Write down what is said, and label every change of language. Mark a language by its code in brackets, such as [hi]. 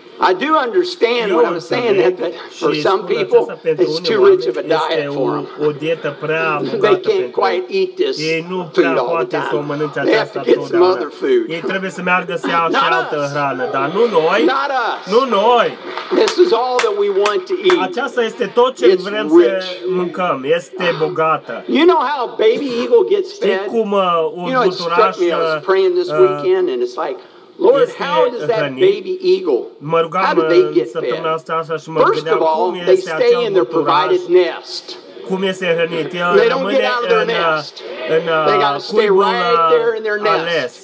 [en] I do understand what I'm saying, that for some people, it's too rich of a diet for them. They can't quite eat this food all the time. They have to get some other food. [ro] Ei trebuie să meargă să iau și altă hrană, dar nu noi. [en] Not us. [ro] Nu noi. [en] This is all that we want to eat. [ro] Aceasta este tot ce vrem să mâncăm. Este bogată. [en] You know how baby eagle gets fed? [ro] Știi cum un buturaș... [en] I was praying this weekend, and it's like, Lord, how does that baby eagle, how do they get fed? First of all, they stay in their provided nest. They don't get out of their nest. They got to stay right there in their nest.